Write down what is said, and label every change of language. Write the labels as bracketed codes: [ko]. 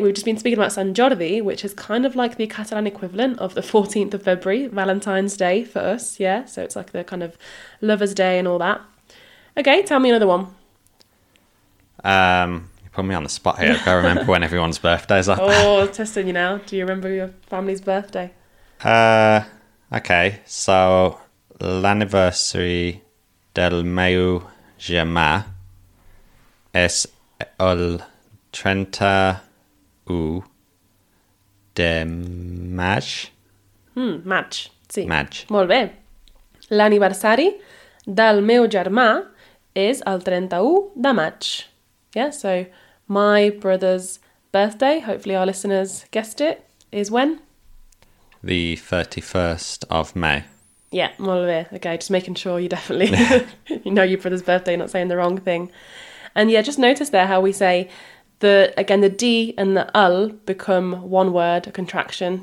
[en] We've just been speaking about Sant Jordi, which is kind of like the Catalan equivalent of the 14th of February, Valentine's Day for us, yeah? So it's like the kind of lover's day and all that. Okay, tell me another one. Put me on the spot here. I can't remember when everyone's birthdays are. Oh, testing you now. Do you remember your family's birthday? Okay. [ca] So, l'anniversary del meu germà es el 31 de maig. Maig, sí. Maig. Molt bé. L'anniversari del meu germà es el 31 de maig. [en] Yeah, so... my brother's birthday, hopefully our listeners guessed it, is when? The 31st of May. Yeah, [ca] molt bé. [en] Okay, just making sure you definitely you know your brother's birthday, not saying the wrong thing. And yeah, just notice there how we say, the again, the D and the UL become one word, a contraction.